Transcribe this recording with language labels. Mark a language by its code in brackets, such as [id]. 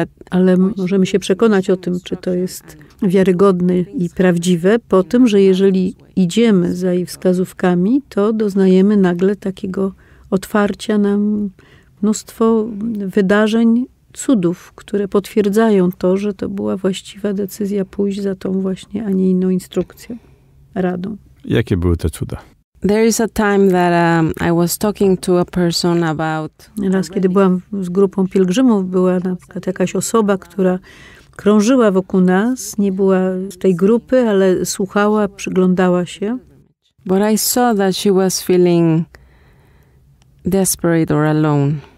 [pl] ale możemy się przekonać o tym, czy to jest wiarygodne i prawdziwe, po tym, że jeżeli idziemy za jej wskazówkami, to doznajemy nagle takiego otwarcia nam mnóstwo wydarzeń, cudów, które potwierdzają to, że to była właściwa decyzja pójść za tą właśnie, a nie inną instrukcją, radą. Jakie były te cuda? [en] There is a time that I was talking to a person about. [pl] Raz, kiedy byłam z grupą pielgrzymów, była na przykład jakaś osoba, która krążyła wokół nas, nie była z tej grupy, ale słuchała, przyglądała się. [en] But I saw that she was feeling desperate or alone.